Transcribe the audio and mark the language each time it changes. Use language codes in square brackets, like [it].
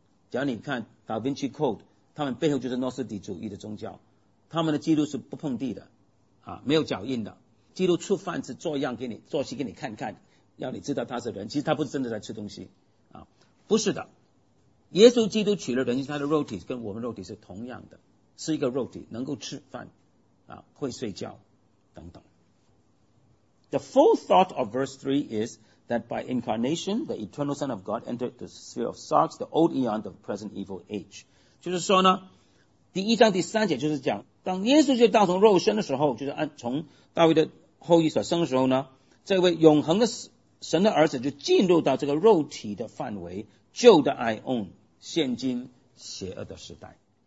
[zh] 只要你看 Da Vinci Code,他们背后就是诺斯底主义的宗教，他们的基督是不碰地的、啊、没有脚印的，基督吃饭是做样给你，做戏给你看看，要你知道他是人，其实他不是真的在吃东西、啊、不是的。耶稣基督取了人性，他的肉体跟我们肉体是同样的，是一个肉体，能够吃饭、啊、会睡觉等等。 [en] The full thought of verse 3 is that by incarnation the eternal Son of God entered the sphere of Sarks, the old eon of present evil age. [zh] 就是说呢，第一章第三节就是讲，当耶稣就道成肉身的时候，就是按从大卫的后裔所生的时候呢，这位永恒的神的儿子就进入到这个肉体的范围，旧的 Ion 现今邪恶的时代。